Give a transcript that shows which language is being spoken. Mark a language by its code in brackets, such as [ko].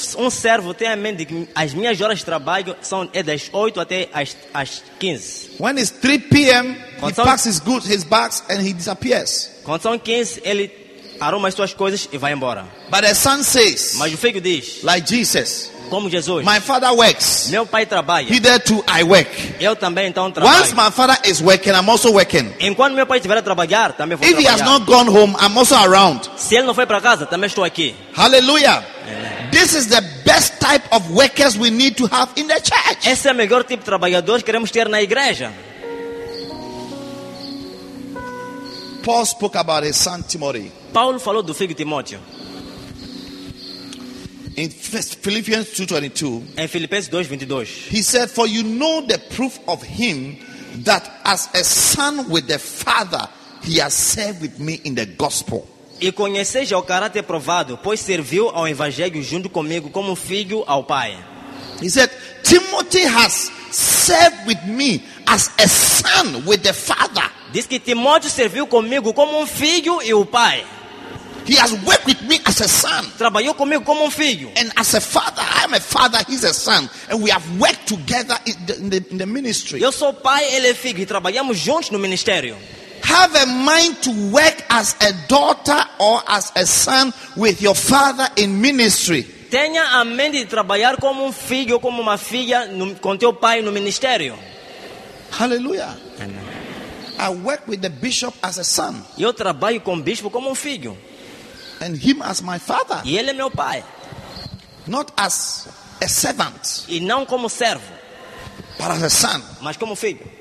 [pt] Servo tem a mente de que as minhas horas de trabalho são das 8 até às 15. [en] When it's 3 p.m., he packs his goods, his bags, and he disappears. [pt] Quando são 15, ele arruma as suas coisas e vai embora. [en] But the son says, [pt] mas o filho diz, [en] like Jesus, [pt] como Jesus, [en] my father works, [pt] meu pai trabalha, [en] he there too I work. [pt] Eu também então trabalho. [en] Once my father is working, I'm also working. [pt] Enquanto meu pai estiver a trabalhar, também vou [en] if [pt] trabalhar. [en] He has not gone home, I'm also around. [pt] Se ele não foi para casa, também estou aqui. [en] Hallelujah. This is the best type of workers we need to have in the church. [pt] Esse é o melhor tipo de trabalhadores que queremos ter na igreja. [en] Paul spoke about his son Timothy. [pt] Paulo falou do filho Timóteo. [en] In Philippians 2:22, [pt] em Filipenses 2:22, [en] he said, "For you know the proof of him that as a son with the father, he has served with me in the gospel." [pt] E conheceis o caráter provado, pois serviu ao evangelho junto comigo como filho ao pai. [en] He said, "Timothy has served with me as a son with the father." [pt] Diz que Timóteo serviu comigo como filho e o pai. [en] He has worked with me as a son. [pt] Trabalhou comigo como filho. [en] And as a father, I am a father, he's a son. And we have worked together in the ministry. [pt] Eu sou pai, ele é filho, e trabalhamos juntos no ministério. [en] Have a mind to work as a daughter or as a son with your father in ministry. [pt] Tenha a mente de trabalhar como filho ou como uma filha com teu pai no ministério. [en] Hallelujah. Amen. I work with the bishop as a son. [pt] Eu trabalho com o bispo como filho. [en] And him as my father. [pt] E ele é meu pai. [en] Not as a servant. [pt] E não como servo. [en] But as a son. [pt] Mas como filho.